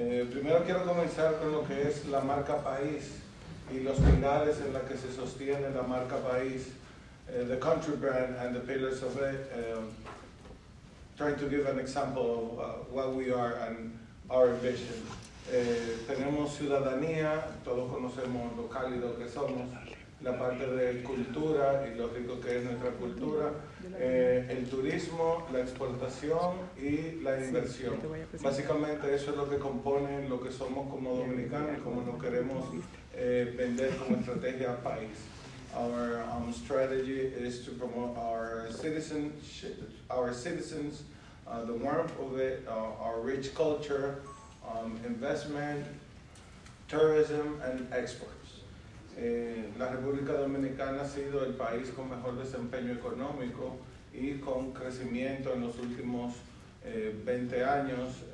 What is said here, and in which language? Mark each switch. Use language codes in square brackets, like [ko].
[es] Primero quiero comenzar con lo que es la marca país y los pilares en la que se sostiene la marca país, [en] the country brand and the pillars of it. Trying to give an example of what we are and our vision. [es] Tenemos ciudadanía, todos conocemos lo cálido que somos, la parte de cultura y lo rico que es nuestra cultura, el turismo, la exportación y la inversión. Básicamente eso es lo que compone lo que somos como dominicanos y cómo nos queremos vender como estrategia al país. [en] Our strategy is to promote our citizens, the warmth of it, our rich culture, investment, tourism, and exports. [es] La República Dominicana ha sido el país con mejor desempeño económico y con crecimiento en los últimos 20 años.